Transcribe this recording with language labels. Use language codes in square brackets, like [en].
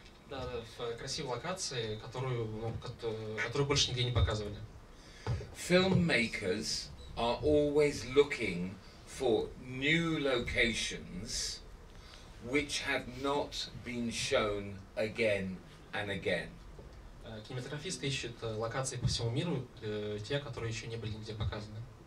[ru] Да, в красивой локации, которую, ну, которую больше нигде не показывали. [en] Filmmakers are always looking for new locations which have not been shown again. And again. [ru] Кинематографисты ищут локации по всему миру, те, которые еще не были нигде показаны.